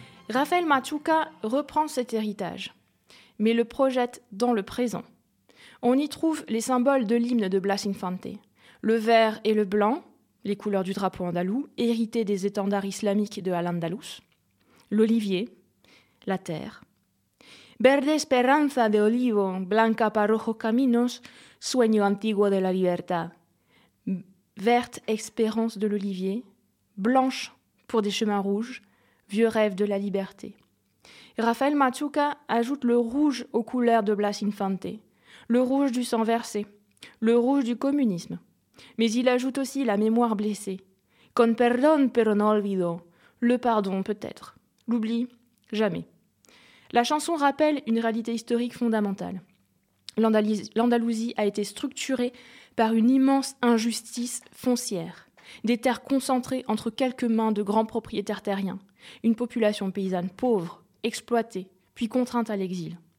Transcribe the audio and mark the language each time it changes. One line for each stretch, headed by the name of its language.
French: Rafael Machuca reprend cet héritage, mais le projette dans le présent. On y trouve les symboles de l'hymne de Blas Infante, le vert et le blanc, les couleurs du drapeau andalou, héritées des étendards islamiques de Al-Andalus, l'olivier, la terre.
Spanish: Verde esperanza de olivo, blanca parrojo caminos, sueño antiguo de la libertad.
French: Verte espérance de l'olivier, blanche pour des chemins rouges, vieux rêve de la liberté. Rafael Machuca ajoute le rouge aux couleurs de Blas Infante, le rouge du sang versé, le rouge du communisme. Mais il ajoute aussi la mémoire blessée.
Spanish: Con perdón, pero no olvido.
French: Le pardon, peut-être. L'oubli, jamais. La chanson rappelle une réalité historique fondamentale. L'Andalousie a été structurée par une immense injustice foncière, des terres concentrées entre quelques mains de grands propriétaires terriens, une population paysanne pauvre, exploitée, puis contrainte à l'exil.